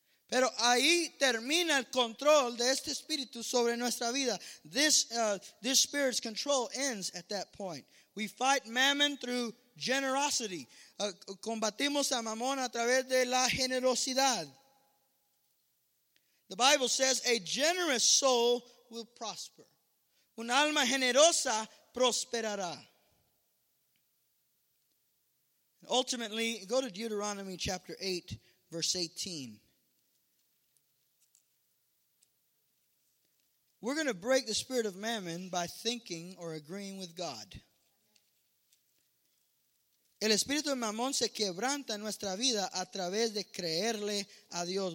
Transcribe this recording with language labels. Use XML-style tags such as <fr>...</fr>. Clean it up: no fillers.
<es>Pero ahí termina el control de este espíritu sobre nuestra vida.</es> <en>This spirit's control ends at that point. We fight mammon through generosity.</en> <es>Combatimos a mamón a través de la generosidad.</es> <en>The Bible says a generous soul will prosper.</en> <es>Un alma generosa prosperará.</es> <en>Ultimately, go to Deuteronomy chapter 8, verse 18. We're going to break the spirit of mammon by thinking or agreeing with God.</en> <es>El espíritu de mamón se quebranta en nuestra vida a través de creerle a Dios.</es>